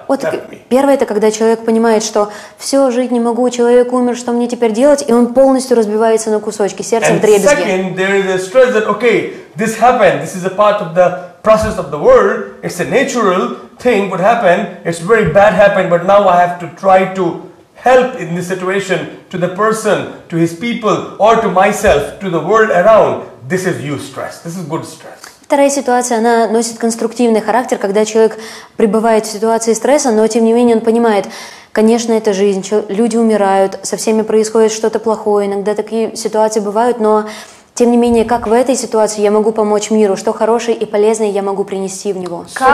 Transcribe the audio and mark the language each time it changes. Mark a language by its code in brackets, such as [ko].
[ru] Вот первое — это когда человек понимает, что все, жить не могу, человек умер, что мне теперь делать, и он полностью разбивается на кусочки, сердце [en] and [ru] в дребезги. [en] And second, there is a stress that, okay, this happened, this is a part of the process of the world, it's a natural thing what happened, it's very bad happened, but now I have to try to help in this situation to the person, to his people, or to myself, to the world around. This is you stress. This is good stress. [ru] Вторая ситуация, она носит конструктивный характер, когда человек пребывает в ситуации стресса, но тем не менее он понимает, конечно, это жизнь, люди умирают, со всеми происходит что-то плохое, иногда такие ситуации бывают, но тем не менее, как в этой ситуации я могу помочь миру, что хорошее и полезное я могу принести в него.